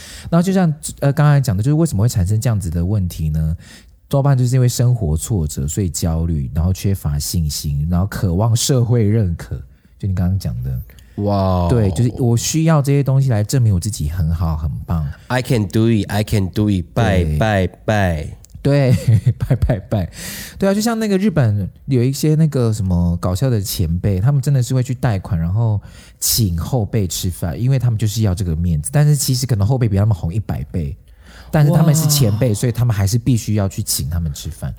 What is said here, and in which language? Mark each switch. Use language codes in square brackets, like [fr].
[zh] 然后就像刚才讲的，就是为什么会产生这样子的问题呢？多半就是因为生活挫折，所以焦虑，然后缺乏信心，然后渴望社会认可，就你刚刚讲的，哇、wow ，对，就是我需要这些东西来证明我自己很好很棒。 [en] I can do it, I can do it, bye bye bye, [zh] 对，拜拜拜，对啊，就像那个日本有一些那个什么搞笑的前辈，他们真的是会去贷款，然后请后辈吃饭，因为他们就是要这个面子，但是其实可能后辈比他们红100倍。但是他们是前辈，所以他们还是必须要去请他们吃饭。